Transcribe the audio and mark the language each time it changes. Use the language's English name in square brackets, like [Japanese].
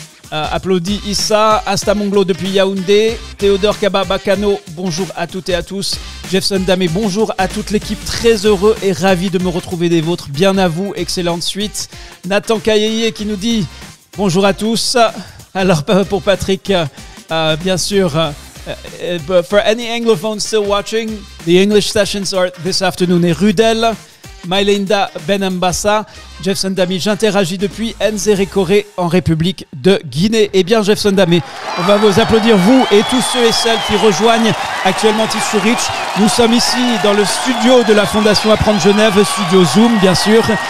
[French] Applaudit Issa, Asta Monglo depuis Yaoundé. Théodore Kababakano, bonjour à toutes et à tous. Jeffson Damé, bonjour à toute l'équipe. Très heureux et ravi de me retrouver des vôtres. Bien à vous, excellente suite. Nathan Kayeye qui nous dit bonjour à tous. Alors, pour Patrick, bien sûr... [English] but for any anglophones still watching, the English sessions are this afternoon. [French] Et Rudel, Mylinda Benambassa, Jeffson Damé, j'interagis depuis Nzéré Corée en République de Guinée. Eh bien, Jeffson Damé, on va vous applaudir, vous et tous ceux et celles qui rejoignent actuellement Teach to Reach. Nous sommes ici dans le studio de la Fondation Apprendre Genève, studio Zoom, bien sûr.